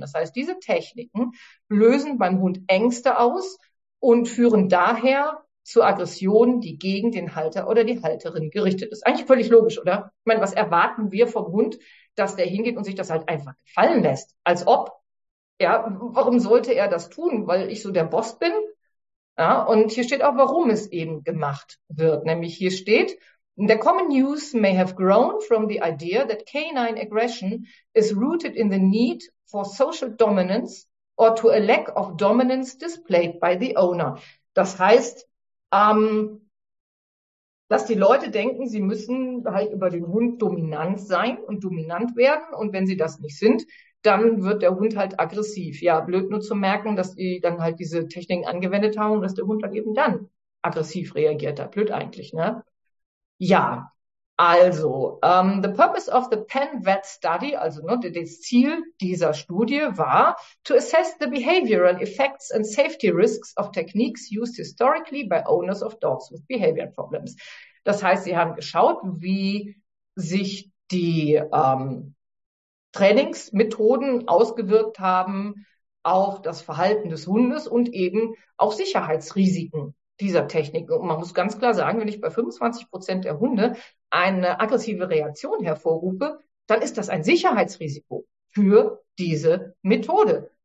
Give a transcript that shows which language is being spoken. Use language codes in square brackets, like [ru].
[de] Das heißt, diese Techniken lösen beim Hund Ängste aus und führen daher zu Aggressionen, die gegen den Halter oder die Halterin gerichtet ist. Eigentlich völlig logisch, oder? Ich meine, was erwarten wir vom Hund, dass der hingeht und sich das halt einfach gefallen lässt? Als ob, ja, warum sollte er das tun? Weil ich so der Boss bin? Ja, und hier steht auch, warum es eben gemacht wird. Nämlich hier steht: [en] The common use may have grown from the idea that canine aggression is rooted in the need for social dominance or to a lack of dominance displayed by the owner. [de] Das heißt, dass die Leute denken, sie müssen halt über den Hund dominant sein und dominant werden. Und wenn sie das nicht sind, dann wird der Hund halt aggressiv. Ja, blöd nur zu merken, dass die dann halt diese Techniken angewendet haben und dass der Hund dann eben dann aggressiv reagiert hat. Blöd eigentlich, ne? Ja, also, [en] the purpose of the Penn Vet Study, [de] also ne, das Ziel dieser Studie war, [en] to assess the behavioral effects and safety risks of techniques used historically by owners of dogs with behavior problems. [de] Das heißt, sie haben geschaut, wie sich die Trainingsmethoden ausgewirkt haben auf das Verhalten des Hundes und eben auf Sicherheitsrisiken dieser Technik. Und man muss ganz klar sagen, wenn ich bei 25% der Hunde eine aggressive Reaktion hervorrufe, dann ist das ein Sicherheitsrisiko für diese Methode.